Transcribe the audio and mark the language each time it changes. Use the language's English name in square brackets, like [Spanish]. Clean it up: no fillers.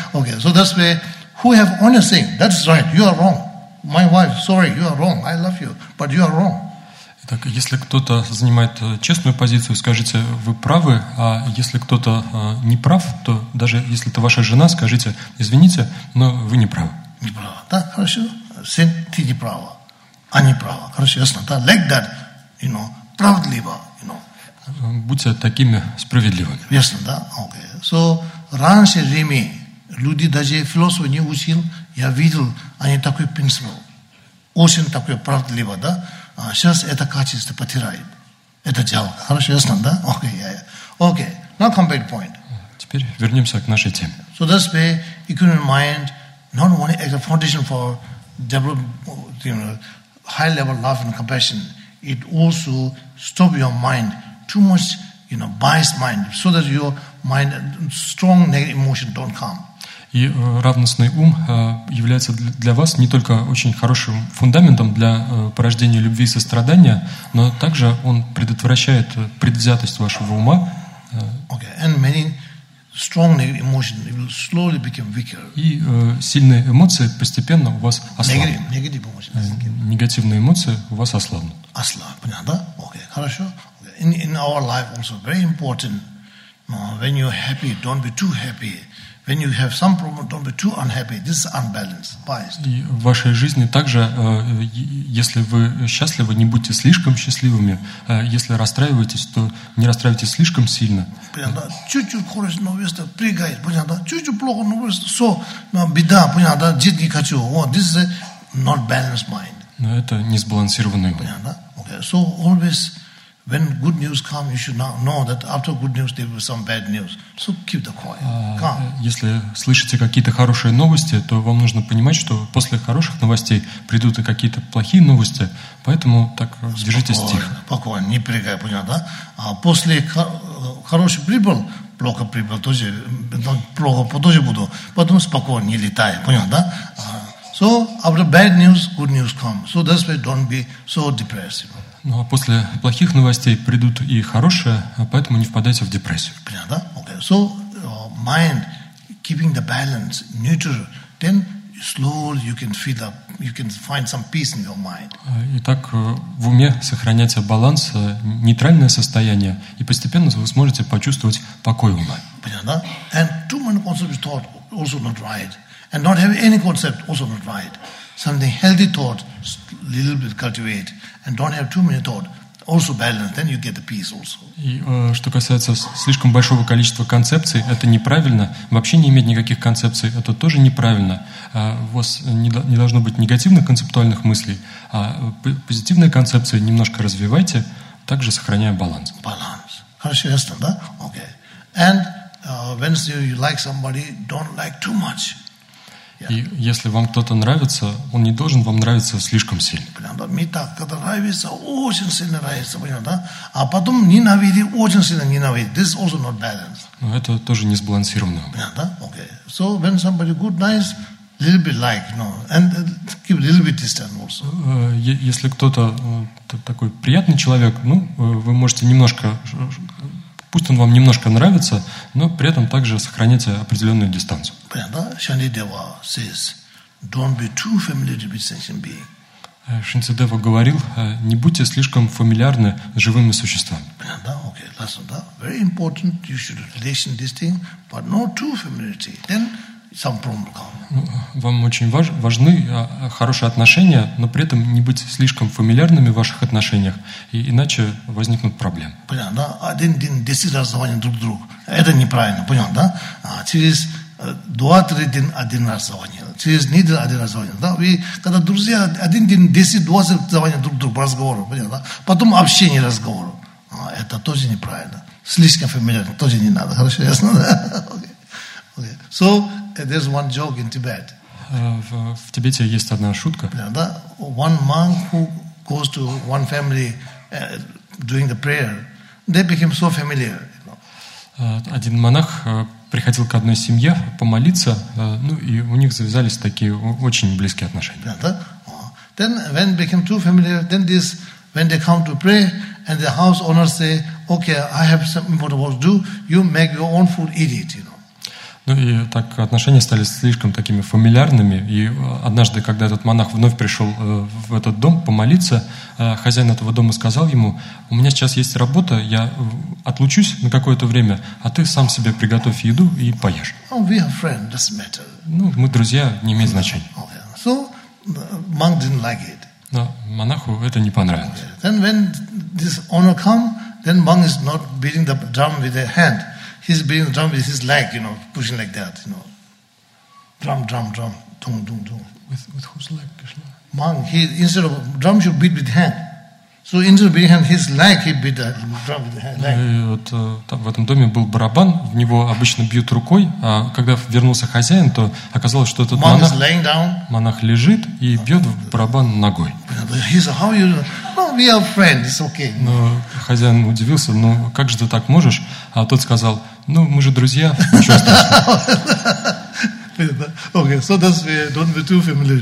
[English] Okay, so that's where, who have honest thing, that's right, you are wrong. My wife, sorry, you are wrong, I love you, but you are wrong. [Russian] Итак, если кто-то занимает честную позицию, скажите, вы правы, а если кто-то не прав, то даже если это ваша жена, скажите, извините, но вы не правы. Не права, да, хорошо. Сын, ты не права, а не права. Хорошо, ясно, да? [English] Like that, you know, [Russian] правдливо, [English] you know. [Russian] Будьте такими справедливыми. Ясно, да? Okay. [English] So, [Russian] раньше в Риме люди даже философы не учил, я видел, они такой принцип. Очень такой правдливо, да? Сейчас это качество потеряет. Это жалко. Хорошо, ясно, да? [English] Okay, yeah, yeah. Okay, now come back to point. [Russian] Теперь вернемся к нашей теме. [English] So, that's where economic mind not only as a foundation for develop, you know, high level love and compassion, it also stop your mind too much, you know, biased mind, so that your mind strong negative emotion don't come. [Russian] И равностный ум является для вас не только очень хорошим фундаментом для порождения любви и сострадания, но также он предотвращает предвзятость вашего ума. [English] Okay, and many strong negative emotion will slowly become weaker. [Russian] И сильные эмоции постепенно у вас ослабнут. [English] Negative emotions. [Russian] Негативные эмоции у вас ослабнут. Ослаб, понятно, да? [English] Okay, [Russian] хорошо. [English] In our life also very important. When you're happy, don't be too happy. When you have some problem, don't be too unhappy. This is unbalanced, biased. [Russian] И в вашей жизни также, если вы счастливы, не будьте слишком счастливыми. Если расстраиваетесь, то не расстраивайтесь слишком сильно. Понятно? Чуть-чуть хорошо, но весь прыгает, понятно? Чуть-чуть плохо, но весь все, но беда, понятно? Жить не хочу. Вот, [English] this is a not balanced mind. [Russian] Но это несбалансированный ум. Понятно? [English] Okay. So always. When good news comes, you should not know that after good news there will be some bad news. So keep the quiet. Calm. [Russian] Если слышите какие-то хорошие новости, то вам нужно понимать, что после хороших новостей придут и какие-то плохие новости. Поэтому так спокойно, держитесь тихо. Спокойно, не прыгай, понятно, да? А после хорошей прибыли, плохо прибыли, тоже плохо тоже буду. Потом спокойно, не летай, понятно, да? [English] So after bad news, good news comes. So that's why don't be so depressed. [Russian] Ну а после плохих новостей придут и хорошие, поэтому не впадайте в депрессию. Понятно? Okay. [English] So mind keeping the balance, neutral, then slowly you can feel up, you can find some peace in your mind. [Russian] Итак, в уме сохраняется баланс, нейтральное состояние, и постепенно вы сможете почувствовать покой ума. Понятно? [English] And too many concepts thought also not right, and not having any concept also not right. Something healthy thought, little bit cultivate, and don't have too many thought. Also balance, then you get the peace also. [Russian] И что касается слишком большого количества концепций, это неправильно. Вообще не иметь никаких концепций, это тоже неправильно. У вас не должно быть негативных концептуальных мыслей, а позитивные концепции немножко развивайте, также сохраняя баланс. Баланс. Хорошо, ясно, да? Okay. [English] And when you like somebody, don't like too much. [Russian] И если вам кто-то нравится, он не должен вам нравиться слишком сильно. Мета, когда нравится, очень сильно нравится, понимаете, да? А потом ненавидит, очень сильно ненавидит. [English] This is also not balanced. [Russian] Но это тоже не сбалансировано. Понятно? Okay. [English] So when somebody good, nice, little bit like, you know, and keep little bit distance also. [Russian] Если кто-то такой приятный человек, ну, вы можете немножко, пусть он вам немножко нравится, но при этом также сохраняйте определенную дистанцию. Понятно? [English] Шанидева says, don't be too familiar with sentient beings. [Russian] Шанидева говорил, не будьте слишком фамильярны с живыми существами. Понятно? [English] Okay, last one, [Russian] да? [English] Very important, you should relation this thing, but not too familiarity. Then some problem come. [Russian] Вам очень важны хорошие отношения, но при этом не быть слишком фамильярными в ваших отношениях, иначе возникнут проблемы. Понятно, да? Один день раздавание друг другу. Это неправильно, понял, да? Через 2-3 дня один раздавание, через неделю один раздавание. Да? Когда друзья один день 10-20 раздавание друг другу по разговору, понял, да? Потом общение разговору. Это тоже неправильно. Слишком фамильярно, тоже не надо. Хорошо, ясно, да? [English] Okay. Okay. So, there's one joke in Tibet. [Russian] В Тибете есть одна шутка. Yeah, да? [English] One monk who goes to one family doing the prayer, they became so familiar. You know. [Russian] Один монах приходил к одной семье помолиться, ну и у них завязались такие очень близкие отношения. Yeah, да? [English] Then when became too familiar, then this when they come to pray and the house owner say, okay, I have something for the work to do, you make your own food, eat it, you know. [Russian] Ну и так отношения стали слишком такими фамильярными. И однажды, когда этот монах вновь пришел в этот дом помолиться, хозяин этого дома сказал ему, у меня сейчас есть работа, я отлучусь на какое-то время, а ты сам себе приготовь еду и поешь. [English] Oh, we are friends, doesn't matter. [Russian] Ну, мы друзья, не имеет значения. [English] Okay. So, monk didn't like it. [Russian] Но монаху это не понравилось. [English] Okay. Then when this owner come, then monk is not beating the drum with a hand. He's beating the drum with his leg, you know, pushing like that, you know. Drum, dum, dum, dum. With whose leg, Krishna? Monk, instead of drum, should beat with hand. So instead of beating hand, his leg, he beat the drum with the leg. [Russian] И вот там, в этом доме был барабан, в него обычно бьют рукой, а когда вернулся хозяин, то оказалось, что этот [English] monk is laying down. [Russian] Монах лежит и бьет в барабан ногой. [English] He's how you. We are friends, it's okay. [Russian] Но хозяин удивился, ну как же ты так можешь? А тот сказал, ну мы же друзья, ничего страшного. [English] Okay, so that's why don't be too familiar.